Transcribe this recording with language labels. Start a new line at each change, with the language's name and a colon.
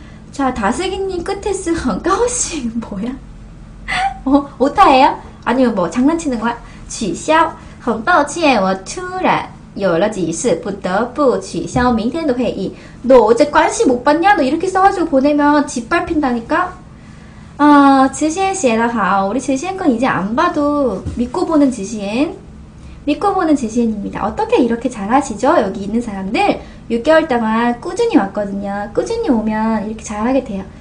Korean: 자, 다슬기님 끝에 쓴 很高兴, 뭐야? 어, 오타예요? 아니면 뭐 장난치는 거야?
Chinese: 취소, 很抱歉,我突然 有了急事,不得不取消明天的회의.
Korean: 너 어제 관심 못 봤냐? 너 이렇게 써가지고 보내면 짓밟힌다니까? 아, 지시엔씨에다가, 우리 지시엔건 이제 안 봐도 믿고 보는 지시엔. 믿고 보는 지시엔입니다. 어떻게 이렇게 잘하시죠? 여기 있는 사람들. 6개월 동안 꾸준히 왔거든요. 꾸준히 오면 이렇게 잘하게 돼요.